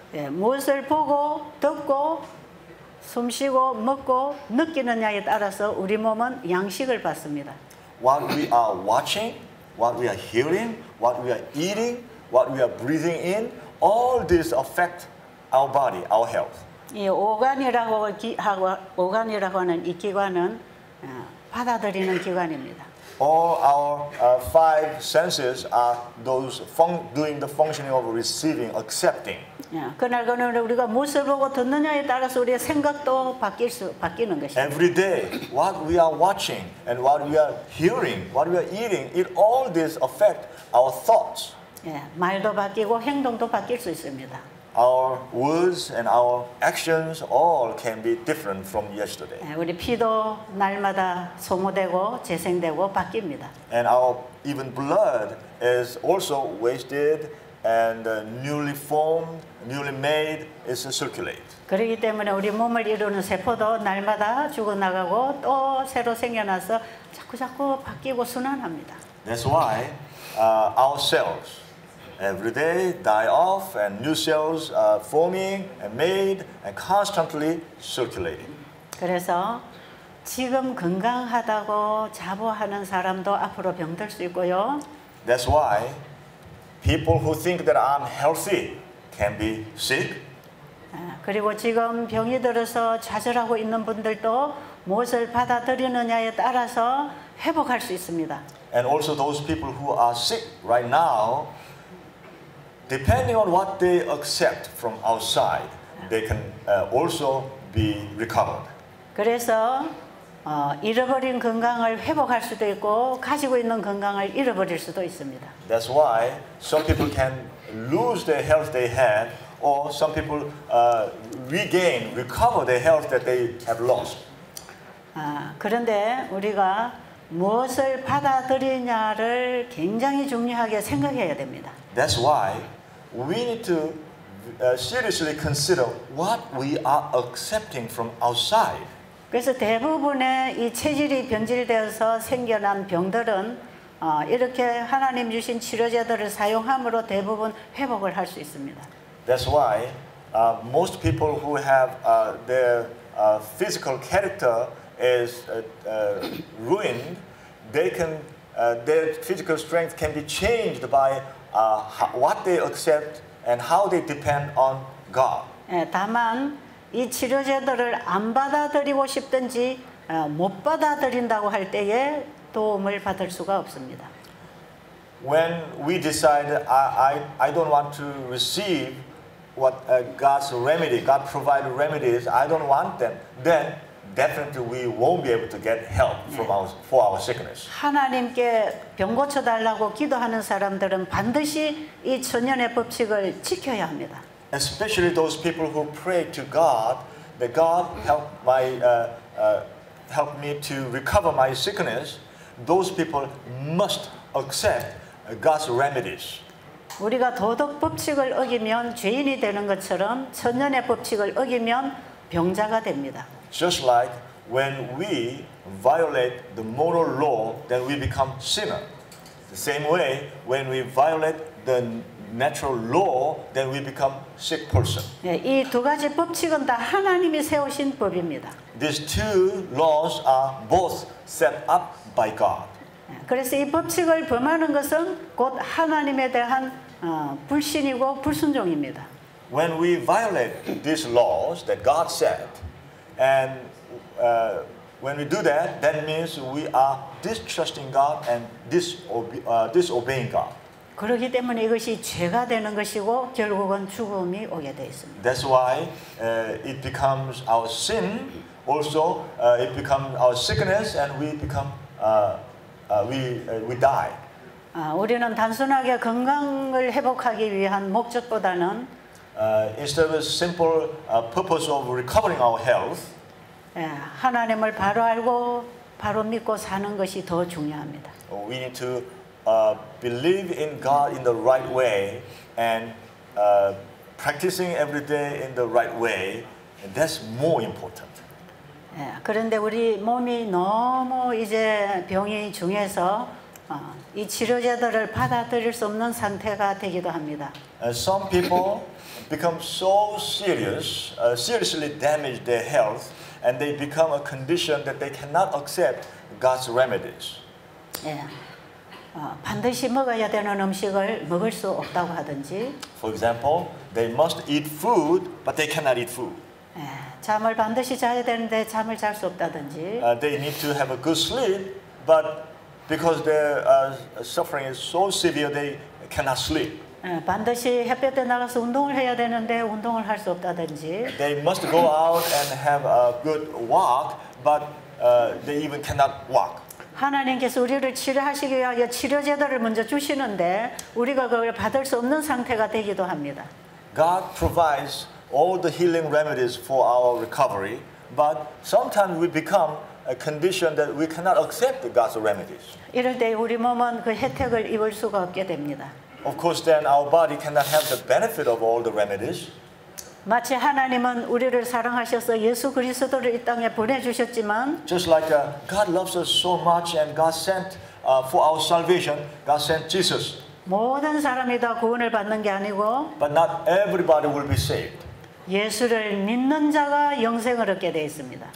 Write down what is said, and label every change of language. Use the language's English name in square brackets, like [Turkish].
[Korean] 예, 무엇을 보고 듣고 숨쉬고 먹고 느끼느냐에 따라서 우리 몸은 양식을 받습니다. [English] What we are watching, what we are hearing, what we are eating, what we are breathing in, all this affect our body, our health. [Korean] 이 오간이라고 하고 오간이라고 하는 이 기관은 받아들이는 기관입니다. [English] All our five senses are those doing the functioning of receiving, accepting. [Korean] 그날그날 우리가 무엇을 보고 듣느냐에 따라서 우리의 생각도 바뀌는 것입니다. [English] Every day, what we are watching and what we are hearing, what we are eating, it all this affect our thoughts. [Korean] 말도 바뀌고 행동도 바뀔 수 있습니다. [English] Our words and our actions all can be different from yesterday. [Korean] 우리 피도 날마다 소모되고 재생되고 바뀝니다. [English] And our even blood is also wasted and newly formed, newly made, is circulate. [Korean] 그렇기 때문에 우리 몸을 이루는 세포도 날마다 죽어나가고 또 새로 생겨나서 자꾸 바뀌고 순환합니다. [English] That's why our cells. Every day, die off, and new cells are forming and made, and constantly circulating. [Korean] 그래서 지금 건강하다고 자부하는 사람도 앞으로 병들 수 있고요. [English] That's why people who think that I'm healthy can be sick. [Korean] 그리고 지금 병이 들어서 좌절하고 있는 분들도 무엇을 받아들이느냐에 따라서 회복할 수 있습니다. [English] And also those people who are sick right now. Depending on what they accept from outside, they can also be recovered. [Korean] 그래서 잃어버린 건강을 회복할 수도 있고 가지고 있는 건강을 잃어버릴 수도 있습니다. [English] That's why some people can lose the health they had, or some people recover the health that they have lost. [Korean] 그런데 우리가 무엇을 받아들이냐를 굉장히 중요하게 생각해야 됩니다. [English] That's why. We need to seriously consider what we are accepting from outside. [Korean] 그래서 대부분의 이 체질이 변질되어서 생겨난 병들은 이렇게 하나님 주신 치료제들을 사용함으로 대부분 회복을 할 수 있습니다. [English] That's why most people who have their physical character is ruined, they can their physical strength can be changed by what they accept and how they depend on God. [Korean] 다만 이 치료제들을 안 받아들이고 싶든지 못 받아들인다고 할 때에 도움을 받을 수가 없습니다. [English] When we decide I don't want to receive what God's remedy, God provided remedies, I don't want them, then definitely we won't be able to get help from for our sickness. [Korean] 하나님께 병 고쳐 달라고 기도하는 사람들은 반드시 이 천년의 법칙을 지켜야 합니다. [English] Especially those people who pray to God that God help my help me to recover my sickness, those people must accept God's remedies. [Korean] 우리가 도덕 법칙을 어기면 죄인이 되는 것처럼 천년의 법칙을 어기면 병자가 됩니다. [English] Just like when we violate the moral law, then we become sinner. The same way, when we violate the natural law, then we become sick person. [Korean] 이 두 가지 법칙은 다 하나님이 세우신 법입니다. [English] These two laws are both set up by God. [Korean] 그래서 이 법칙을 범하는 것은 곧 하나님에 대한 불신이고 불순종입니다. [English] When we violate these laws that God set, and when we do that, that means we are distrusting God and disobeying God. [Korean] 그렇기 때문에 이것이 죄가 되는 것이고 결국은 죽음이 오게 돼 있습니다. [English] That's why it becomes our sin. Also, it becomes our sickness, and we become we die. [Korean] 우리는 단순하게 건강을 회복하기 위한 목적보다는 [English] instead of a simple purpose of recovering our health. [Korean] 하나님을 바로 알고 바로 믿고 사는 것이 더 중요합니다. [English] We need to believe in God in the right way and practicing every day in the right way. And that's more important. [Korean] 그런데 우리 몸이 너무 이제 병이 중해서 이 치료제들을 받아들일 수 없는 상태가 되기도 합니다. [English] Some people become so serious, seriously damage their health. And they become a condition that they cannot accept God's remedies. [Korean] 반드시 먹어야 되는 음식을 먹을 수 없다고 하든지. [English] For example, they must eat food, but they cannot eat food. [Korean] 잠을 반드시 자야 되는데 잠을 잘 수 없다든지. [English] They need to have a good sleep, but because their suffering is so severe, they cannot sleep. [Korean] 반드시 햇볕에 나가서 운동을 해야 되는데 운동을 할 수 없다든지. [English] They must go out and have a good walk, but they even cannot walk. [Korean] 하나님께서 우리를 치료하시기 위하여 치료제도를 먼저 주시는데 우리가 그걸 받을 수 없는 상태가 되기도 합니다. [English] God provides all the healing remedies for our recovery, but sometimes we become a condition that we cannot accept God's remedies. [Korean] 이럴 때 우리 몸은 그 혜택을 입을 수가 없게 됩니다. [English] Of course, then our body cannot have the benefit of all the remedies. [Korean] 마치 하나님은 우리를 사랑하셔서 예수 그리스도를 이 땅에 보내주셨지만, [English] just like God loves us so much and God sent for our salvation, God sent Jesus. [Korean] 모든 사람이 다 구원을 받는 게 아니고, [English] but not everybody will be saved. [Korean] 예수를 믿는 자가 영생을 얻게 되어 있습니다.